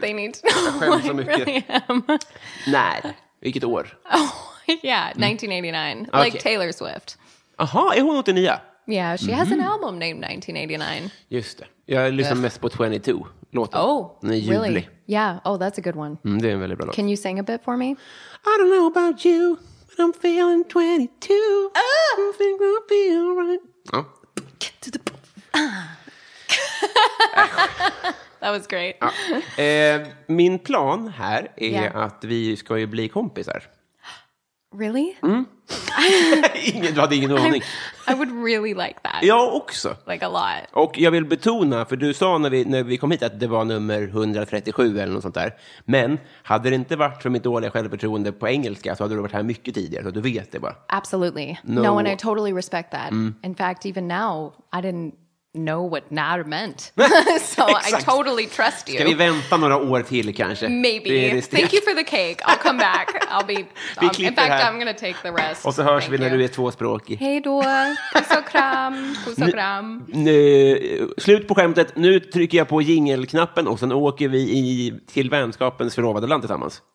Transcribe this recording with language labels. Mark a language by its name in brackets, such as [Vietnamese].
[English] They need to know who I really am. [Swedish] När? Vilket år? [English] Oh, yeah, 1989. Like okay. Taylor Swift. [Swedish] Aha, är hon 89? [English] Yeah, she has an album named 1989. [Swedish] Just det. Jag lyssnar mest på 22 låten. [English] Oh, [Swedish] den är [English] really? Yeah, oh, that's a good one. [Swedish] Det är en väldigt bra låt. [English] Can you sing a bit for me? I don't know about you. I'm feeling 22. I think I'll be alright. Oh. Get to the point. That was great. [Swedish] Min plan här är att vi ska ju bli kompisar. [English] Really? [Swedish] Ingen, du hade ingen aning. [English] I would really like that. [Swedish] Jag också. [English] Like a lot. [Swedish] Och jag vill betona, för du sa när vi kom hit att det var nummer 137 eller något sånt där. Men hade det inte varit för mitt dåliga självförtroende på engelska så hade du varit här mycket tidigare. Så du vet det bara. [English] Absolutely. No, and I totally respect that. In fact, even now, I didn't know what nar meant. So I totally trust you. [Swedish] Ska vi vänta några år till kanske? [English] Maybe. Thank you for the cake. I'll come back. I'll be in fact [Swedish] här. [English] I'm gonna take the rest. [Swedish] Och så hörs vi när du är tvåspråkig. Hej då. Puss och kram. Slut på skämtet. Nu trycker jag på jingelknappen och sen åker vi till vänskapens förlovade land tillsammans.